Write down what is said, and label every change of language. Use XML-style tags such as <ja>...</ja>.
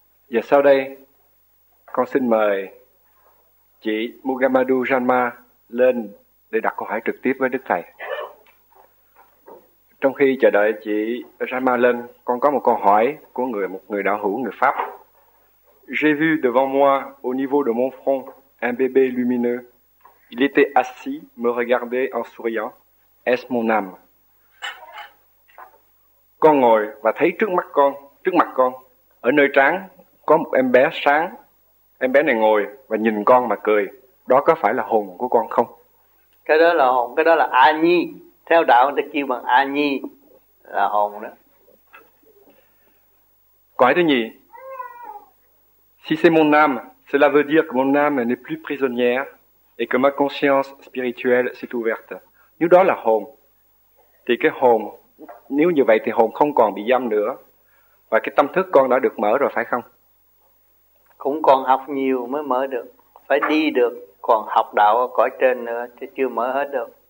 <vi>Và sau đây con xin mời chị Mugamadu Janma lên để đặt câu hỏi trực tiếp với Đức Thầy. Trong khi chờ đợi chị Rama lên, con có một câu hỏi của một người đạo hữu người Pháp.</vi> <fr>J'ai vu devant moi, au niveau de mon front, un bébé lumineux. Il était assis, me regardait en souriant. Est-ce mon âme?</fr> <vi>Con ngồi và thấy trước mặt con, ở nơi trán có một em bé sáng. Em bé này ngồi và nhìn con mà cười. Đó có phải là hồn của con không? Cái đó là hồn, cái đó là A Nhi. Theo đạo người ta kêu bằng A Nhi là hồn đó. Câu thứ nhì.</vi> <fr>Si c'est mon âme, cela veut dire que mon âme n'est plus prisonnière et que ma conscience spirituelle s'est ouverte.</fr> <vi>Nếu đó là hồn, thì cái hồn, nếu như vậy thì hồn không còn bị giam nữa. Và cái tâm thức con đã được mở rồi phải không? Cũng còn học nhiều mới mở được. Phải đi được, còn học đạo ở cõi trên nữa chứ chưa mở hết được.</vi>